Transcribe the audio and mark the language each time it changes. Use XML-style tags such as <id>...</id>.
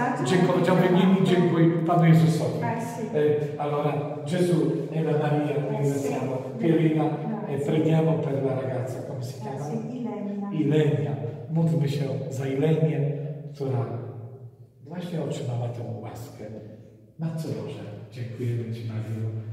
<pl>Dziękuję, mi dziękuję Panu Jezusowi.</pl> <it>Allora, Gesù e la Maria, ringraziamo. Pierina, preghiamo per la ragazza, come si chiama? Ilenia.</it> <pl>Módlmy się za Ilenię, która właśnie otrzymała tę łaskę. Matko Boże, dziękujemy Ci, Mariu.</pl>